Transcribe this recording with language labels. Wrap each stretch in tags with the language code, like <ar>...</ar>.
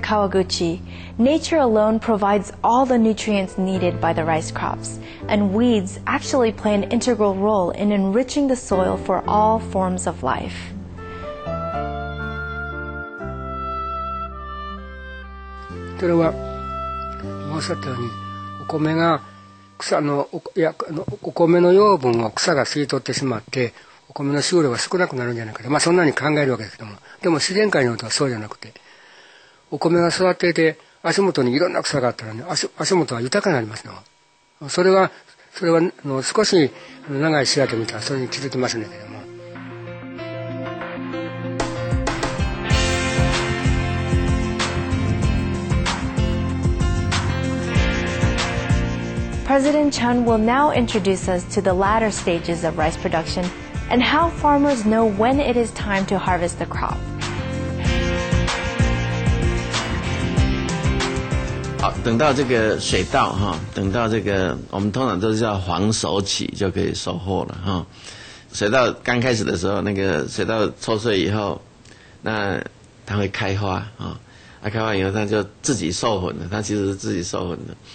<en>Kawaguchi, nature alone provides all the nutrients needed by the rice crops, and weeds actually play an integral role in enriching the soil for all forms of life.</en> <ja>トルは申し上げたようにお米が草の お米の養分を草が吸い取ってしまってお米の収量が少なくなるんじゃないかと、まあ、そんなに考えるわけですけども、でも自然界のことはそうじゃなくて、お米が育っていて足元にいろんな草があったら、ね、足元は豊かになりますの。それは少し長い視野で見たらそれに気づきますね。</ja> <en>President Chun will now introduce us to the latter stages of rice production and how farmers know when it is time to harvest the crop.</en> <zh>Oh, 等到这个水稻哈，等到这个我们通常都叫黄熟起就可以收获了哈。水稻刚开始的时候，那个水稻抽穗以后，那它会开花啊，它开花以后它就自己授粉了，它其实是自己授粉的。</zh>